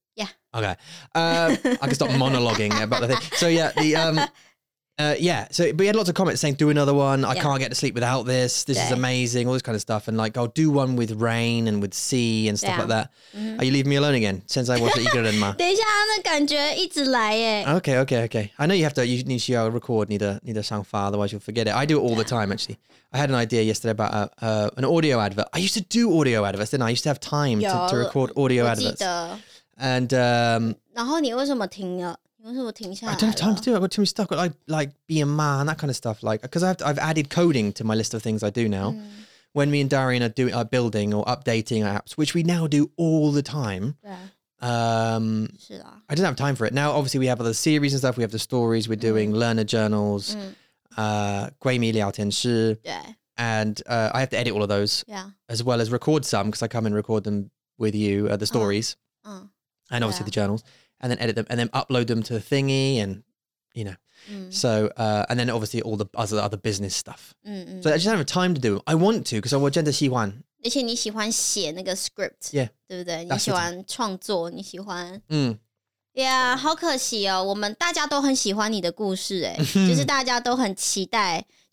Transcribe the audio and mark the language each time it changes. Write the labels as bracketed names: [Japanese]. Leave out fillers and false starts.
[English] Yeah. Okay. I can stop monologuing about the thing. So yeah, so we had lots of comments saying, do another one. I can't get to sleep without this. This is amazing. All this kind of stuff. And like, I'll do one with rain and with sea and stuff like that. Mm-hmm. Are you leaving me alone again? Since I watched it, you can't. [Chinese] 等一下,那感觉一直来耶。 [English] Okay. I know you have to, you need to record, need to sound far, otherwise you'll forget it. I do it all the time, actually. I had an idea yesterday about an audio advert. I used to do audio adverts, didn't I? I used to have time to record audio adverts. [Chinese] 我记得。 [English] And, [Chinese] 然后你为什么停了? [English] I don't have time to do it. I've got too much stuff. I've got like BMA and that kind of stuff. Like, because I've added coding to my list of things I do now. Mm. When me and Darian are building or updating apps, which we now do all the time. Yeah. I didn't have time for it. Now, obviously, we have other series and stuff. We have the stories we're doing, learner journals, Guimi聊天室. Yeah. And I have to edit all of those. Yeah. As well as record some, because I come and record them with you, the stories. And obviously the journals. And then edit them and then upload them to the thingy and, you know. So, and then obviously all the other business stuff. So I just don't have time to do it. I want to, because I want to do it. And you like writing that script. Yeah. Right? You like creating. [Chinese] Yeah, 好可惜哦，我们大家都很喜欢你的故事，哎，就是大家都很期待。